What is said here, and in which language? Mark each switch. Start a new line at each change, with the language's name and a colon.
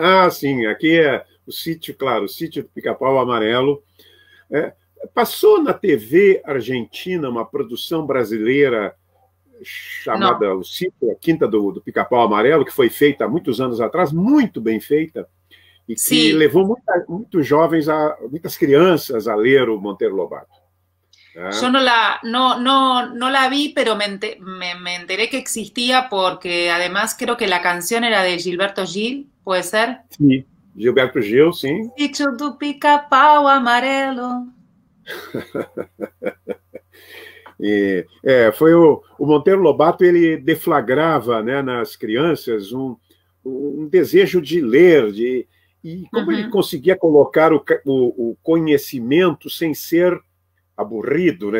Spanish: Sí, aquí es el sitio, claro, el sitio de Pica-Pau Amarelo. ¿Pasó en la TV argentina una producción brasileira llamada El Sitio, la quinta del Pica-Pau Amarelo, que fue feita muchos años atrás, muy bien feita?
Portuguese: E que sim. Levou muitos jovens, muitas crianças a ler o Monteiro Lobato. É. Eu não
Spanish: la vi, pero me enteré que existia, porque, además, creo que la canción era de Gilberto Gil, puede ser?
Portuguese: Sim, Gilberto Gil, sim. Sítio do Pica-Pau Amarelo. foi o Monteiro Lobato, ele deflagrava, né, nas crianças um desejo de ler, de... E como ele conseguia colocar o conhecimento sem ser aburrido, né?